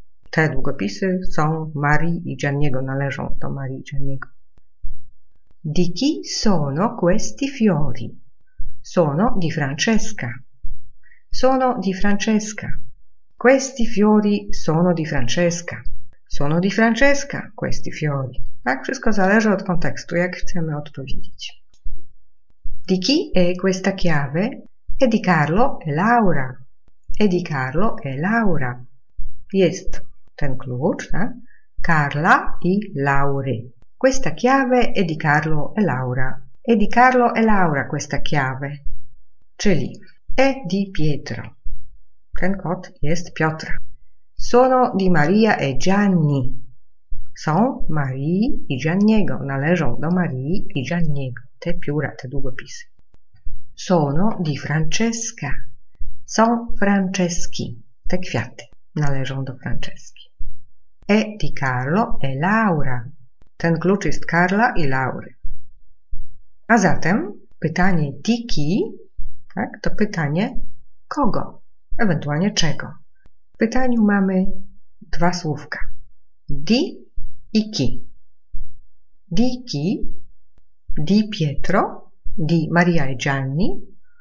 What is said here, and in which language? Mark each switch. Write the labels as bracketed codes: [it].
[pl] Te długopisy są Marii i Gianniego, należą do Marii i Gianniego. [it] Di chi sono questi fiori? Sono di Francesca. Sono di Francesca. Questi fiori sono di Francesca. Sono di Francesca questi fiori. [pl] Tak, wszystko zależy od kontekstu, jak chcemy odpowiedzieć. [it] Di chi è questa chiave? È di Carlo e Laura. È di Carlo e Laura. [pl] Jest ten klucz, tak? Carla i Laure. [it] Questa chiave è di Carlo e Laura. È di Carlo e Laura questa chiave. [pl] Czyli [it] è di Pietro. [pl] Ten kot jest Piotra. [it] Sono di Maria e Gianni. [pl] Są Marii i Gianniego. Należą do Marii i Gianniego. Te piura, te długopisy. [it] Sono di Francesca. [pl] Są Franceschi. Te kwiaty należą do Franceschi. [it] È di Carlo e Laura. [pl] Ten klucz jest Karla i Laury. A zatem pytanie di chi, tak, to pytanie kogo, ewentualnie czego. W pytaniu mamy dwa słówka. [it] Di i chi. Di chi, di Pietro, di Maria e Gianni.